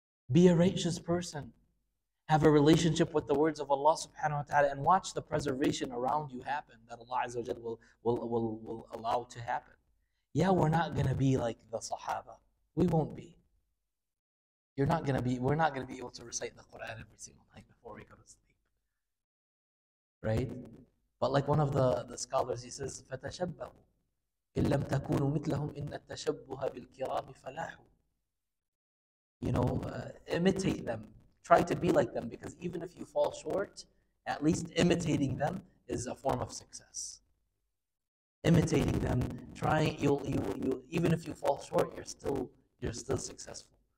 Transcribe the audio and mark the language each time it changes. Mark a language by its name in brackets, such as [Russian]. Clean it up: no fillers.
[English] Be a righteous person. Have a relationship with the words of Allah subhanahu wa ta'ala and watch the preservation around you happen that Allah azza wa jalla will allow to happen. Yeah, we're not going to be like the Sahaba. We won't be. We're not going to be able to recite the Quran every single night before we go to sleep. Right? But like one of the scholars, he says, [Arabic] فَتَشَبَّهُ إِن لَمْ تَكُونُ مِثْلَهُمْ إِنَّ التَّشَبُّهَ بِالْكِرَامِ فَلَاحُ. [English] You know, imitate them. Try to be like them, because even if you fall short, at least imitating them is a form of success. Imitating them, trying, you even if you fall short, you're still successful.